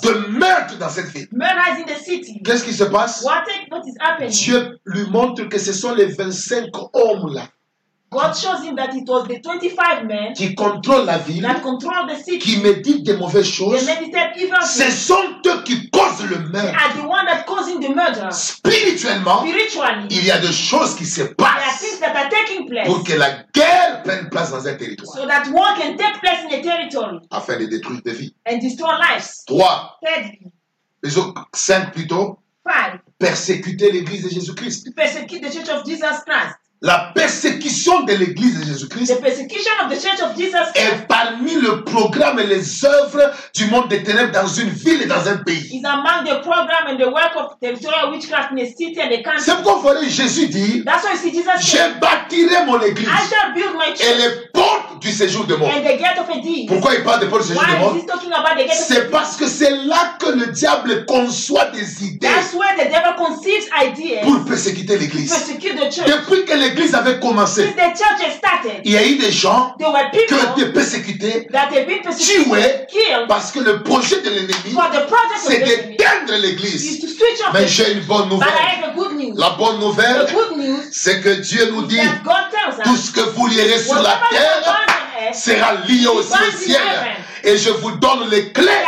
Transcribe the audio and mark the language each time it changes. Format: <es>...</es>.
<fr>De meurtre dans cette ville.</fr> <en>Murders in the city.</en> <fr>Qu'est-ce qui se passe?</fr> <en>What is happening?</en> <fr>Dieu lui montre que ce sont les 25 hommes là.</fr> <en>God shows him that it was the 25 men</en> <fr>qui contrôlent la ville,</fr> <en>that control the city,</en> <fr>qui méditent des mauvaises choses,</fr> <en>they meditate evil.</en> <fr>Ce sont eux qui causent le meurtre.</fr> <en>They are the one that causing the murder.</en> <fr>Spirituellement,</fr> <en>spiritually,</en> <fr>il y a des choses qui se passent.</fr> <en>There are things that are taking place</en> <fr>pour que la guerre prenne place dans un territoire.</fr> <en>So that war can take place in a territory.</en> <fr>Afin de détruire des vies.</fr> <en>And destroy lives.</en> <fr>Trois.</fr> <en>Thirdly.</en> <fr>Cinq plutôt.</fr> <en>Five.</en> <fr>Persécuter l'Église de Jésus-Christ.</fr> <en>Persecute the Church of Jesus Christ.</en> <fr>La persécution de l'Église de Jésus-Christ</fr> <en>the persecution of the Church of Jesus Christ</en> <fr>parmi le programme et les œuvres du monde des ténèbres dans une ville et dans un pays.</fr> <en>Is among the program and the work of territorial witchcraft in a city and a country.</en> <fr>C'est pourquoi voilà Jésus dit.</fr> <en>That's why see Jesus said.</en> <fr>Je bâtirai mon église.</fr> <en>I shall build my church.</en> <fr>Et les portes du séjour de mort.</fr> <en>And the gate of Hades.</en> <fr>Pourquoi il parle des portes du séjour de mort?</fr> <en>Why is he talking about the gate of Hades?</en> <fr>C'est parce que c'est là que le diable conçoit des idées.</fr> <en>That's where the devil conceives ideas.</en> <fr>Pour persécuter l'église.</fr> <en>Persecute the church.</en> <fr>Depuis que l'église avait commencé.</fr> <en>Since the church has started.</en> <fr>Il y a eu des gens.</fr> <en>There were people.</en> <fr>Qui ont été persécutés.</fr> <en>That have been persecuted.</en> <fr>Tués.</fr> <en>Killed.</en> <fr>Parce que le projet de l'ennemi.</fr> <en>For the project</en> <fr>c'est d'éteindre l'église.</fr> <en>Is to switch off.</en> <fr>Mais j'ai une bonne nouvelle.</fr> <en>But I have a good news.</en> <fr>La bonne nouvelle.</fr> <en>The good news.</en> <fr>C'est que Dieu nous dit.</fr> <en>God tells us.</en> <fr>Tout ce que vous lirez sur la terre. Sera lié au ciel et je vous donne les clés.</fr>